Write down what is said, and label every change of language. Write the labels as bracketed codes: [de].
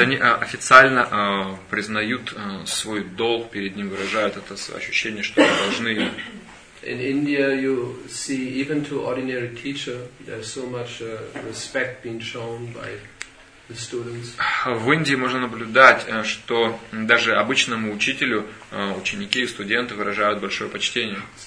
[ru] они официально признают свой долг перед ним, выражают это ощущение, что они должны. [en] In India, you see, even to ordinary teacher, there's so much respect being shown by the students. [ru] В Индии можно наблюдать, что даже обычному учителю ученики и студенты выражают большое почтение.